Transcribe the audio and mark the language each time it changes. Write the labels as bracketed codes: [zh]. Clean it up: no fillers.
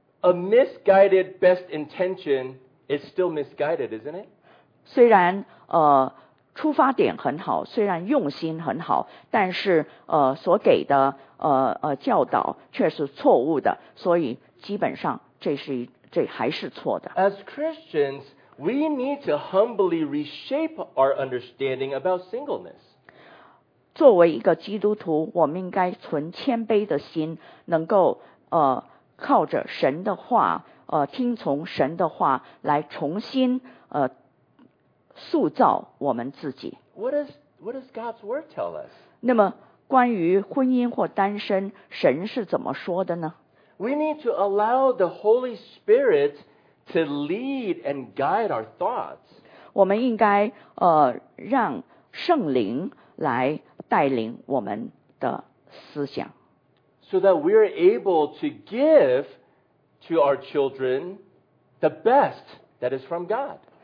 [en] A misguided best intention is still misguided, isn't it? [zh] 虽然出发点很好，虽然用心很好，但是所给的教导却是错误的，所以基本上这还是错的。 [en] As Christians, we need to humbly reshape our understanding about singleness. [zh] 作为一个基督徒，我们应该存谦卑的心，能够靠着神的话，听从神的话来重新塑造我们自己。 [en] What does God's word tell us? [zh] 那么关于婚姻或单身，神是怎么说的呢？ [en] We need to allow the Holy Spirit to lead and guide our thoughts. [zh] 我们应该让圣灵来带领我们的思想。 [en] So that we are able to give to our children the best that is from God.